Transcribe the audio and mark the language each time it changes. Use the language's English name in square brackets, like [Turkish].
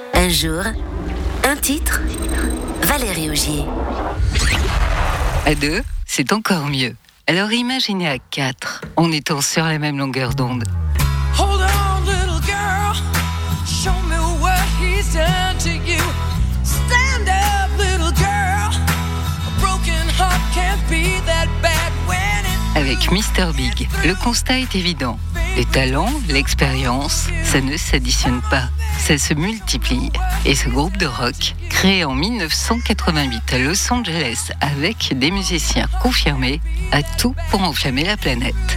[French] Un jour, un titre, Valérie Augier. À deux, c'est encore mieux. Alors imaginez à quatre, en étant sur la même longueur d'onde. [English] Hold on, little girl, show me what he's done to you. Stand up, little girl, a broken heart can't be that bad when it's through. [French] Avec Mr. Big, le constat est évident. Les talents, l'expérience, ça ne s'additionne pas, ça se multiplie. Et ce groupe de rock, créé en 1988 à Los Angeles avec des musiciens confirmés, a tout pour enflammer la planète.